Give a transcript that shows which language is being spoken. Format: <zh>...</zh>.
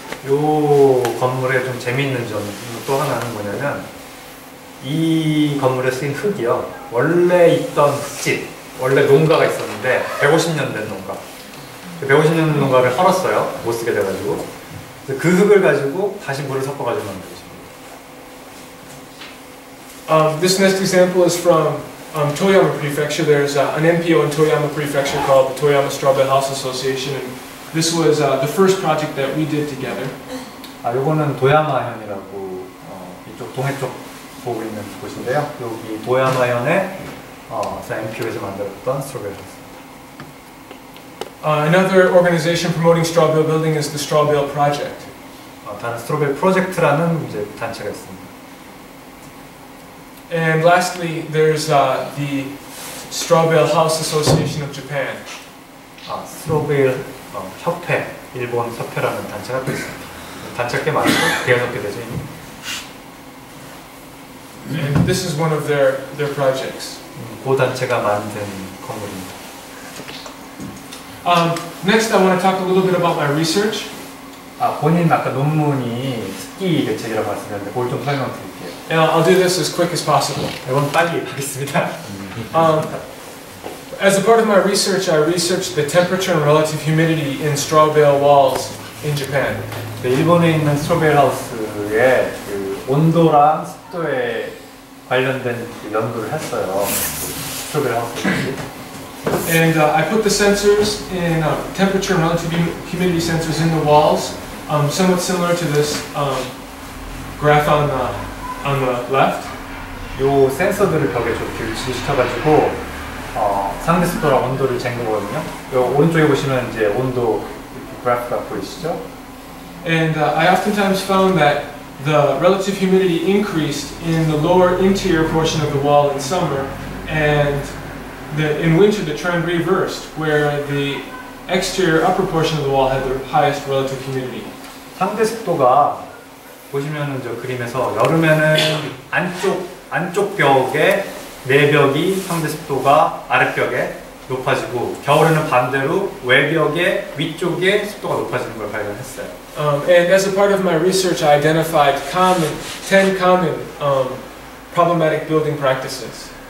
<ko>요 건물의 좀 재미있는 점 또 하나는 뭐냐면 이 건물에 쓰인 흙이요. 원래 있던 흙집, 원래 농가가 있었는데, 150년 된 농가. 그 150년 된 농가를 헐었어요. 못 쓰게 돼가지고. 그 흙을 가지고 다시 물을 섞어가지고 만든 거죠.</ko> <en>This next example is from Toyama Prefecture. There's an NPO in Toyama Prefecture called the Toyama Strawberry House Association. And this was the first project that we did together.</en> <ko>아, 요거는 도야마현이라고 이쪽 동해쪽 보고 있는 곳인데요. 여기 도야마현에 NPO에서 만들었던 스트로베일 하우스입니다.</ko> <en>Another organization promoting straw bale building is the Straw Bale Project.</en> <ko>다른 스트로베일 프로젝트라는 이제 단체가 있습니다.</ko> <en>And lastly, there's the Straw Bale House Association of Japan.</en> <ko>스트로베일 협회, 일본 협회라는 단체가 있습니다. 단체 꽤 많고 대여섯 개 되죠.</ko> <en>And this is one of their projects.</en> <ko>그 단체가 만든 건물입니다.</ko> <en>Next, I want to talk a little bit about my research.</en> <ko>본인 아까 논문이 습기 대책이라고 말씀하셨는데 그걸 좀 설명 드릴게요.</ko> <en>Yeah, I'll do this as quick as possible.</en> <ko>이건 빨리 하겠습니다.</ko> <en>As a part of my research, I researched the temperature and relative humidity in straw bale walls in Japan.</en> <ko>일본에 있는 스트로베일 하우스의 그 온도랑 습도에 관련된 연구를 했어요. 스트로베일 하우스.</ko> <en>And I put the sensors in temperature and relative humidity sensors in the walls, somewhat similar to this graph on the left.</en> <ko>요 센서들을 벽에 좀 비치시켜가지고 상대 습도랑 온도를 잰 거거든요. 요 오른쪽에 보시면 이제 온도 그래프가 보이시죠?</ko> <en>And I oftentimes found that the relative humidity increased in the lower interior portion of the wall in summer, and in winter the trend reversed, where the exterior upper portion of the wall had the highest relative humidity.</en> <ko>상대 습도가 보시면은 저 그림에서 여름에는 안쪽 벽에 내벽이 상대 습도가 아랫벽에 높아지고 겨울에는 반대로 외벽의 위쪽에 습도가 높아지는 걸 발견했어요.</ko> <en>And as a part of my research, I identified 10 common problematic building practices.</en>